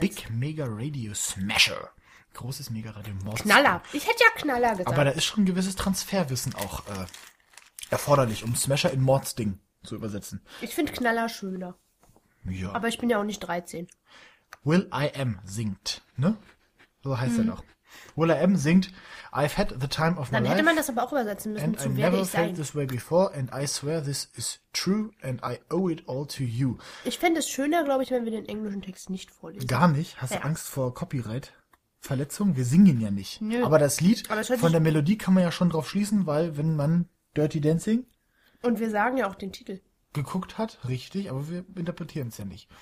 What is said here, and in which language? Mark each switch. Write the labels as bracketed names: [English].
[English] Big Mega-Radio-Smasher. [German] Großes Mega-Radio-Mordsding. Knaller. Ich hätte ja Knaller gesagt. Aber da ist schon ein gewisses Transferwissen auch erforderlich, um Smasher in Mordsding zu übersetzen. Ich finde Knaller schöner. Ja. Aber ich bin ja auch nicht 13. Will I Am singt, ne? So heißt er doch. [English] Will I Am [German] singt, [English] "I've had the time of my life. [German] Dann hätte man das aber auch übersetzen müssen, and zu werde ich sein. [English] And I never felt this way before, and I swear this is true, and I owe it all to you." [German] Ich fände es schöner, glaube ich, wenn wir den englischen Text nicht vorlesen. Gar nicht? Hast du Angst vor Copyright-Verletzung? Wir singen ja nicht. Nö. Aber das Lied, von der Melodie kann man ja schon drauf schließen, weil wenn man Dirty Dancing... Und wir sagen ja auch den Titel. Geguckt hat, richtig, aber wir interpretieren es ja nicht.